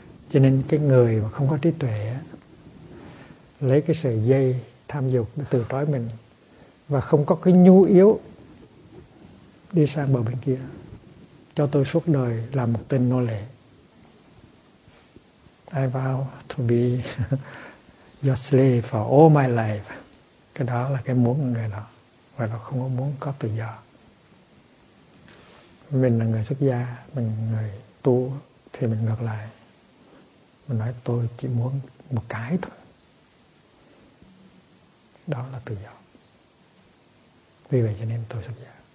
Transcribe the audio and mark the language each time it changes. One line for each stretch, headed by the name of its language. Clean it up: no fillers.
Vietnamese: Cho nên cái người mà không có trí tuệ lấy cái sợi dây tham dục để tự trói mình và không có cái nhu yếu đi sang bờ bên kia, cho tôi suốt đời làm một tên nô lệ.
English: I vow to be your slave for all my life.
Vietnamese: Cái đó là cái muốn của người đó. Và nó không có muốn có tự do. Mình là người xuất gia, mình người tu, thì mình ngược lại. Mình nói tôi chỉ muốn một cái thôi. Đó là tự do. Vì vậy cho nên tôi xuất gia.